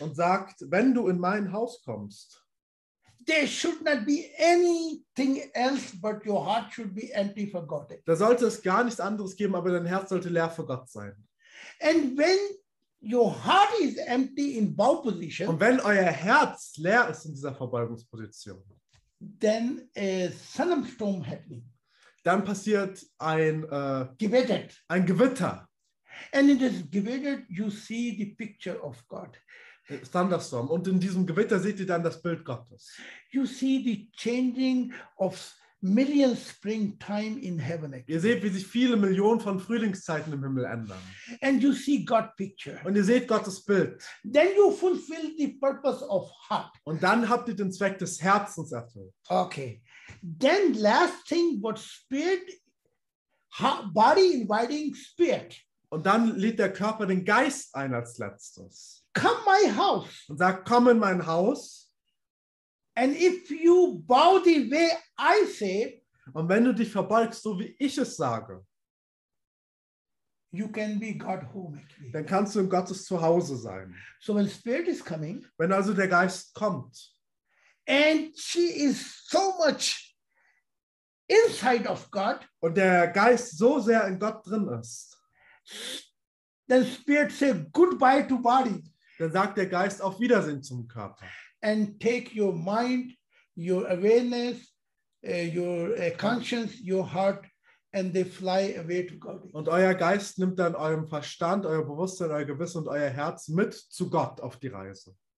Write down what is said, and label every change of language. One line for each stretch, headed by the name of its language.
German: Und sagt, wenn du in mein Haus kommst,
English: there should not be anything else, but your heart should be empty for God.
German: Da sollte es gar nichts anderes geben, aber dein Herz sollte leer für Gott sein.
English: And when your heart is empty in bow position,
German: und wenn euer Herz leer ist in dieser Verbeugungsposition,
English: then a sudden storm happening.
German: Dann passiert ein Gewitter.
English: And in this Gewitter, you see the picture of God. Thunderstorm.
German: Und in diesem Gewitter seht ihr dann das Bild Gottes.
English: You see the changing of million spring time in heaven.
German: Ihr seht, wie sich viele Millionen von Frühlingszeiten im Himmel ändern.
English: And you see God picture.
German: Und ihr seht Gottes Bild.
English: Then you fulfill the purpose of heart.
German: Und dann habt ihr den Zweck des Herzens erfüllt.
English: Okay. Then last thing, what spirit, body inviting spirit.
German: Und dann lädt der Körper den Geist ein als letztes.
English: Come my house.
German: Und sagt, komm in mein Haus.
English: And if you bow the way I say,
German: und wenn du dich verbeugst, so wie ich es sage,
English: you can be God home.
German: Dann kannst du in Gottes Zuhause sein.
English: So when spirit is coming,
German: wenn also der Geist kommt,
English: and she is so much inside of God,
German: und der Geist so sehr in Gott drin ist,
English: then spirit say goodbye to body.
German: Dann sagt der Geist auf Wiedersehen zum Körper.
English: And take your mind, your awareness, your conscience, your heart, and they fly away to God.
German: Und euer Geist nimmt dann euren Verstand, euer Bewusstsein, euer Gewissen und euer Herz mit zu Gott auf die Reise.